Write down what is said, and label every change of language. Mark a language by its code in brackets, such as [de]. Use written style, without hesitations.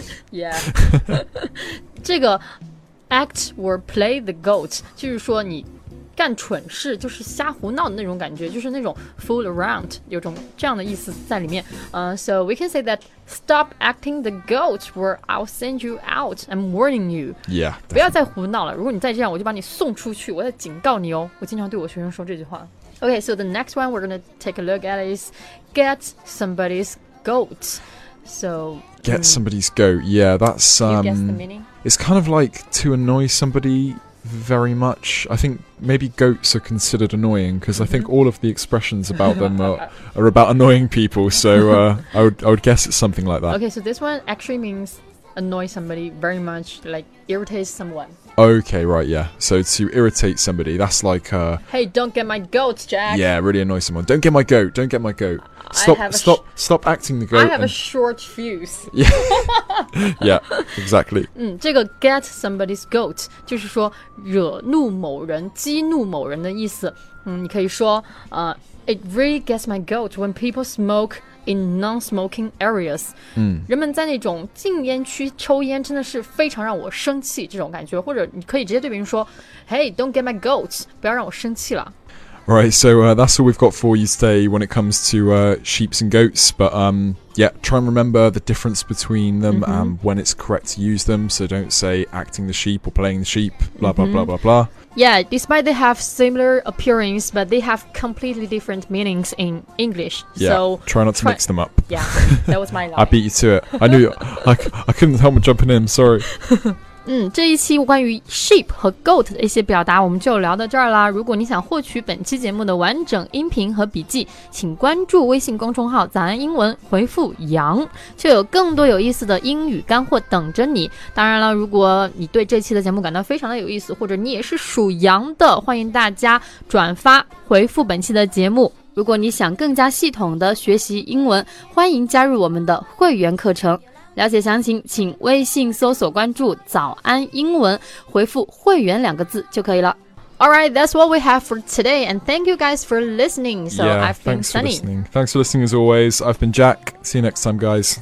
[en] Yeah. [zh] 这个 act or play the goat, 就是说你干蠢事就是瞎胡闹的那种感觉就是那种 [en] fool around, [zh] 有种这样的意思在里面。 [en] So, we can say that stop acting the goat or I'll send you out, I'm warning you. Yeah. [zh] 不要再胡闹了如果你再这样我就把你送出去我再警告你哦我经常对我学生说这句话。 [en] Okay, so the next one we're going to take a look at is get somebody's goat. So, get somebody's goat. Yeah, that's... Can you guess the meaning? It's kind of like to annoy somebody very much. I think maybe goats are considered annoying because I think all of the expressions about them are about annoying people. So I would guess it's something like that. Okay, so this one actually means annoy somebody very much, like irritate someone. Okay, right, yeah. So to irritate somebody, that's like... Hey, don't get my goat, Jack. Yeah, really annoy someone. Don't get my goat, don't get my goat. Stop acting the goat. I have a short fuse. Yeah, exactly. [zh] 这个 get somebody's goat, 就是说惹怒某人、激怒某人的意思。你可以说 [en] it really gets my goat when people smoke in non-smoking areas. [zh] 人们在那种禁烟区抽烟真的是非常让我生气这种感觉。或者你可以直接对别人说 [en] Hey, don't get my goat, [zh] 不要让我生气了。 [en] Right, so that's all we've got for you today when it comes to sheep and goats. But yeah, try and remember the difference between them and when it's correct to use them. So don't say acting the sheep or playing the sheep, blah, blah, blah, blah, blah. Yeah, despite they have similar appearance, but they have completely different meanings in English. Yeah, so, try not to mix them up. Yeah, that was my line. I beat you to it. I knew I couldn't help but jumping in, sorry. [zh] 这一期关于 sheep 和 goat 的一些表达我们就聊到这儿啦。如果你想获取本期节目的完整音频和笔记，请关注微信公众号早安英文，回复羊，就有更多有意思的英语干货等着你。当然了，如果你对这期的节目感到非常的有意思，或者你也是属羊的，欢迎大家转发回复本期的节目。如果你想更加系统的学习英文，欢迎加入我们的会员课程。了解详情请微信搜索关注早安英文回复会员两个字就可以了。 [en] Alright, that's what we have for today and thank you guys for listening. So yeah, I've been Sunny. Thanks for listening as always. I've been Jack. See you next time guys.